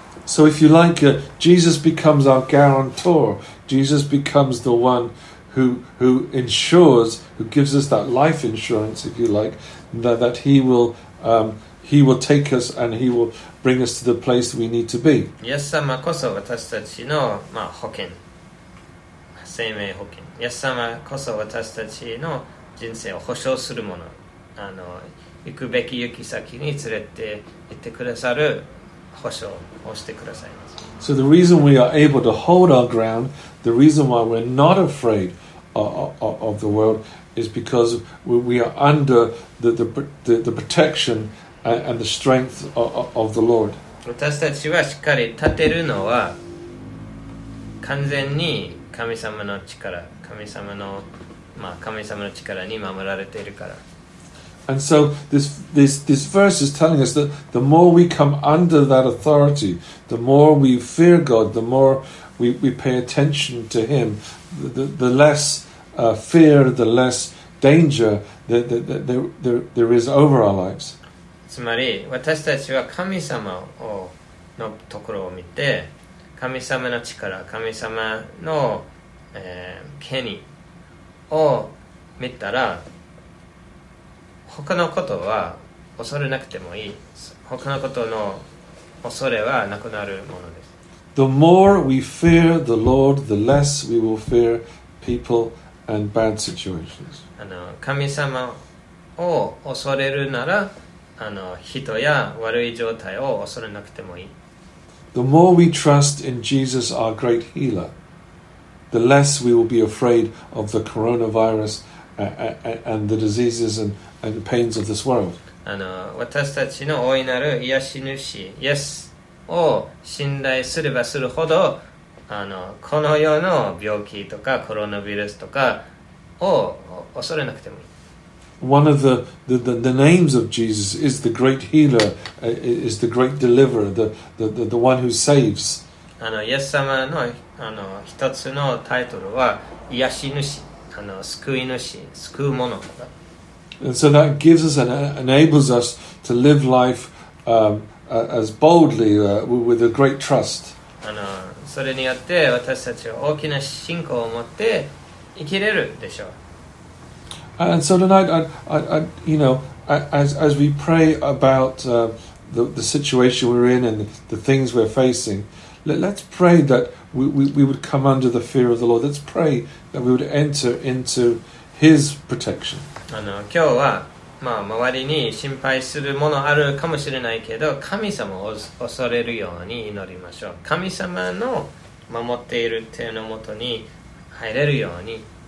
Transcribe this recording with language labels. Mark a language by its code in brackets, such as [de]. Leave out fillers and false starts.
[en] So if you like, Jesus becomes our guarantor. Jesus becomes the one who ensures, who gives us that life insurance, if you like, that he will take us and he will bring us to the place we need to be. [ja] イエス様こそ私たちの、まあ、保険。生命保険。イエス様こそ私たちの人生を保証するもの、あの行くべき行き先に連れて行ってくださる保証をしてくださいます。 [en] So the reason we are able to hold our ground, the reason why we're not afraid of the world is because we are under the protection and the strength of the Lord. [ja] 私たちはしっかり立てるのは完全に神様の力、神様の力に守られているから。 [en] And so this verse is telling us that the more we come under that authority, the more we fear God, the more we pay attention to Him, the less fear, the less danger there is over our lives. [ja] つまり私たちは神様をのところを見て、神様の力、神様の権威を見たら、他のことは恐れなくてもいい。他のことの恐れはなくなるものです。 [en] The more we fear the Lord, the less we will fear people and bad situations. [ja] あの、神様を恐れるなら、あの、人や悪い状態を恐れなくてもいい。 [en] The more we trust in Jesus, our great healer. The less we will be afraid of the coronavirus and the diseases and pains of this world. [ja] あの私たちの大いなる癒し主イエスを信頼すればするほど、あのこの世の病気とかコロナウイルスとかを恐れなくてもいい。 [en] One of the names of Jesus is the great healer, is the great deliverer, the one who saves. [ja] あのイエス様のあの一つのタイトルは癒し主、あの救い主、救う者とか。 [en] And so that gives us and enables us to live life as boldly with a great trust. [ja] あのそれによって私たちは大きな信仰を持って生きれるでしょう。 [en] And so tonight, as we pray about the situation we're in and the things we're facing, let's pray that we would come under the fear of the Lord. Let's pray that we would enter into His protection. [ja] あの今日は、まあ、周りに心配するものあるかもしれないけど、神様を恐れるように祈りましょう。神様の守っている手のもとに入れるように。